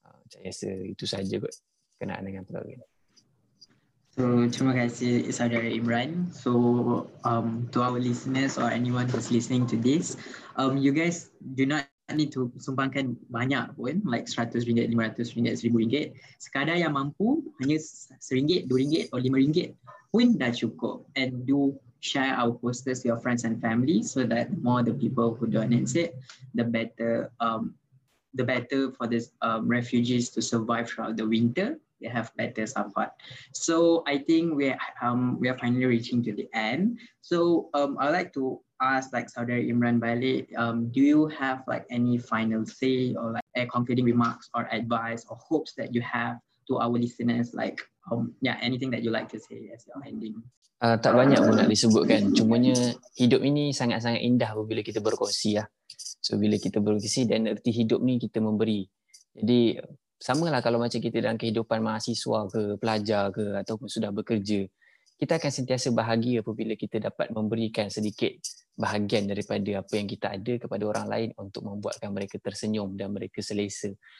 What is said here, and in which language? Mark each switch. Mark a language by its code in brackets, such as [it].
[ms] Saya rasa itu sahaja kot kenaan dengan program. So, terima kasih Saudara Imran. [en] So, to our listeners or anyone who's listening to this, you guys do not need to [ms] sumbangkan banyak pun, [en] like RM100, RM500, RM1,000. [ms] Sekadar yang mampu, hanya RM1, RM2 or RM5 pun dah cukup. [en] And do share our posters to your friends and family so that more the people who donate it, the better for this refugees to survive throughout the winter. They have better support. So I think we are finally reaching to the end. So I'd like to ask, like Saudara Imran Bali, do you have like any final say or like a concluding remarks or advice or hopes that you have to our listeners, like anything that you like to say as your ending? [ms] Tak banyak pun nak disebutkan. Cumanya hidup ini sangat-sangat indah bila kita berkongsi lah. So bila kita berkongsi dan erti hidup ni kita memberi. Jadi samalah kalau macam kita dalam kehidupan mahasiswa ke, pelajar ke ataupun sudah bekerja. Kita akan sentiasa bahagia apabila kita dapat memberikan sedikit bahagian daripada apa yang kita ada kepada orang lain untuk membuatkan mereka tersenyum dan mereka selesa.